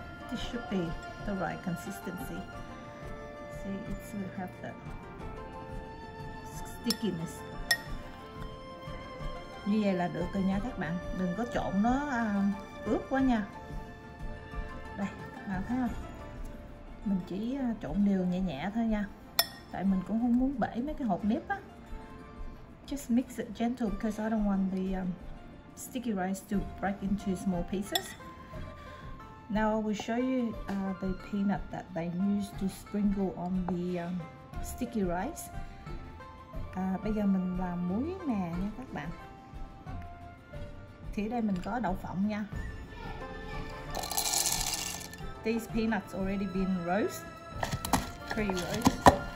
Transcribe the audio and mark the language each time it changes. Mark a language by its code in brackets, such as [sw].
[en] This should be the right consistency. See, it still have the stickiness. [vi] Như vậy là được rồi nha các bạn. Đừng có trộn nó ướt quá nha. Đây, các bạn thấy không? Mình chỉ trộn đều nhẹ nhẹ thôi nha. Tại mình cũng không muốn bể mấy cái hộp nếp á. [en] Just mix it gentle because I don't want the sticky rice to break into small pieces. Now I will show you the peanut that they use to sprinkle on the sticky rice. [vi] Bây giờ mình làm muối nè nha các bạn. Thì ở đây mình có đậu phộng nha. [en] These peanuts already been roast, pre-roast.